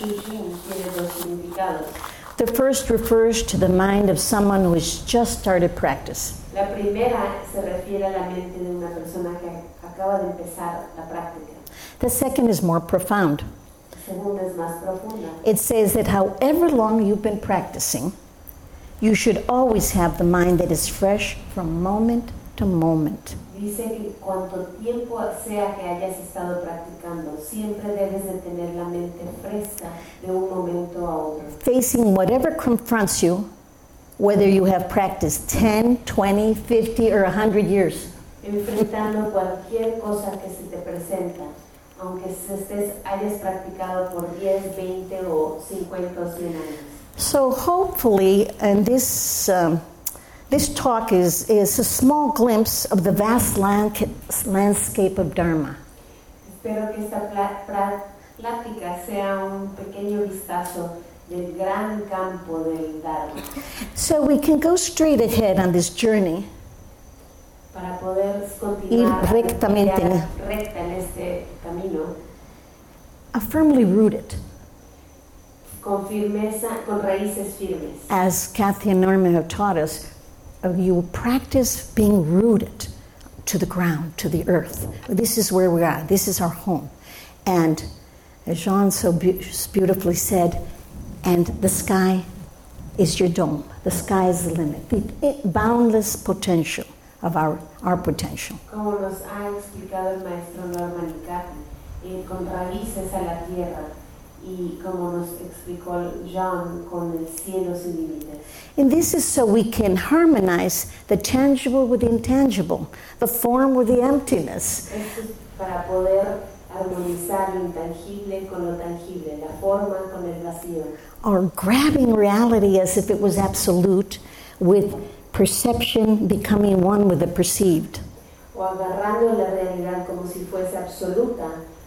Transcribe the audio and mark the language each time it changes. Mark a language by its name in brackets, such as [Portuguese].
[English] The first refers to the mind of someone who has just started practice. [Spanish] La primera se refiere a la mente de una persona que acaba de empezar la práctica. [English] The second is more profound. [Spanish] La segunda es más profunda. [English] It says that however long you've been practicing, you should always have the mind that is fresh from moment to moment. [Spanish] Dice que cuanto tiempo sea que hayas estado practicando, siempre debes de tener la mente fresca de un momento a otro. [English] Facing whatever confronts you, whether you have practiced 10, 20, 50, or 100 years. [Spanish] Enfrentando cualquier cosa que se te presenta, aunque hayas practicado por 10, 20, o 50, o 100 años. [English] So hopefully, and this talk is a small glimpse of the vast landscape of Dharma. [Spanish] Espero que esta plática sea un pequeño vistazo del gran campo del Dharma. [English] So we can go straight ahead on this journey. [Spanish] Para poder continuar rectamente, recta en este camino. [English] A firmly rooted. [Spanish] Con firmeza, con raíces firmes. [English] As Kathy and Norman have taught us, you practice being rooted to the ground, to the earth. This is where we are. This is our home. And as Jean so beautifully said, and the sky is your dome. The sky is the limit. The boundless potential of our potential. [Spanish] Como nos ha explicado el maestro Norman y Kathy, ir con raíces a la tierra. Y como nos explicó Jean, con el cielo sin límites. [English] And this is so we can harmonize the tangible with the intangible, the form with the emptiness. [Spanish] Para poder armonizar lo intangible con lo tangible, la forma con el vacío. [English] Or grabbing reality as if it was absolute, with perception becoming one with the perceived. [Spanish] O agarrando la realidad como si fuese absoluta.